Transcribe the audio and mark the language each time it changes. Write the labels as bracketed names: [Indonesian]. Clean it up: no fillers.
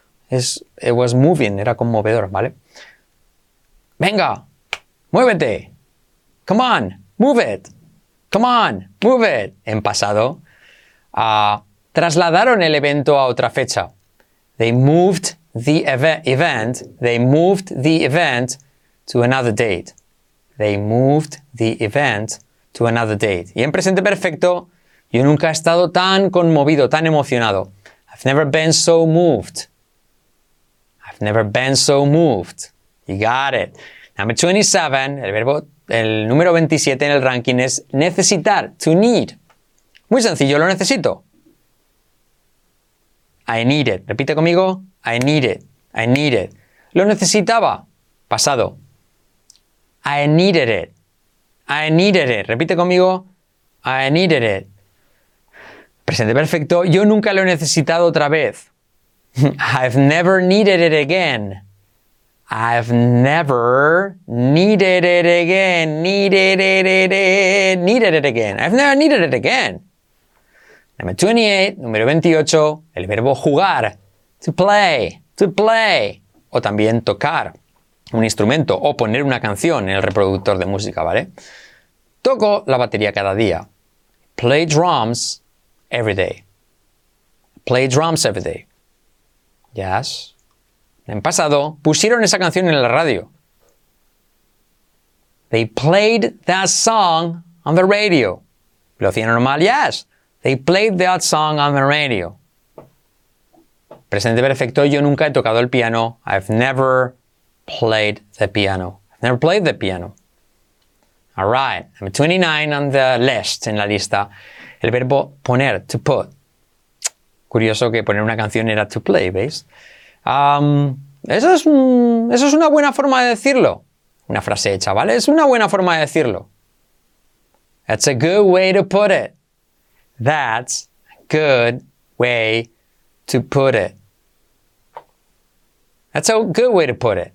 [Spanish] Es, [English] it was moving, [Spanish] era conmovedor, ¿vale? Venga, muévete. [English] Come on, move it. Come on, move it. [Spanish] En pasado, trasladaron el evento a otra fecha. [English] They moved the event. They moved the event to another date. They moved the event to another date. [Spanish] Y en presente perfecto, yo nunca he estado tan conmovido, tan emocionado. [English] I've never been so moved. I've never been so moved. You got it. Number 27, [Spanish] el verbo, el número 27 en el ranking es necesitar, to need. Muy sencillo, lo necesito. [English] I need it. [Spanish] Repite conmigo. [English] I need it. I need it. [Spanish] Lo necesitaba. Pasado. [English] I needed it. I needed it. Repite conmigo. I needed it. [Spanish] Presente perfecto. Yo nunca lo he necesitado otra vez. [English] I've never needed it again. I've never needed it again. Needed it again. I've never needed it again. Number 28, [Spanish] número 28, el verbo jugar. To play. O también tocar un instrumento o poner una canción en el reproductor de música, ¿vale? Toco la batería cada día. [English] Play drums every day. Play drums every day. Yes. [Spanish] En pasado, pusieron esa canción en la radio. [English] They played that song on the radio. [Spanish] Lo hacían normal. [English] Yes. They played that song on the radio. [Spanish] Presente perfecto. Yo nunca he tocado el piano. [English] I've never played the piano. I've never played the piano. All right. Number 29 on the list, [Spanish] en la lista. El verbo poner, [English] to put. [Spanish] Curioso que poner una canción era to play, ¿veis? Eso es una buena forma de decirlo. Una frase hecha, ¿vale? Es una buena forma de decirlo. [English] That's a good way to put it. That's a good way to put it. That's a good way to put it.